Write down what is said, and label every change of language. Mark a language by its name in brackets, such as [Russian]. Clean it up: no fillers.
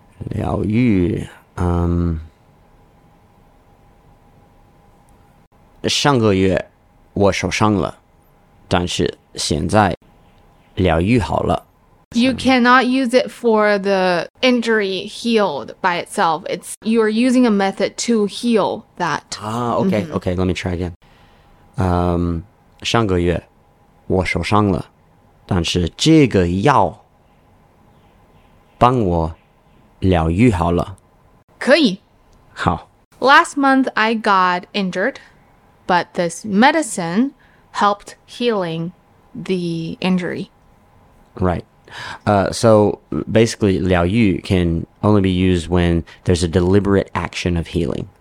[Chinese] 疗愈上个月我受伤了但是现在疗愈好了 [English] You cannot use it for the injury healed by itself. It's you're using a method to heal that. Okay, let me try again. [Chinese] 上个月我受伤了但是这个药帮我疗愈好了。可以。好。 [English] Last month, I got injured, but this medicine helped healing the injury. Right. So, basically, 疗愈 can only be used when there's a deliberate action of healing.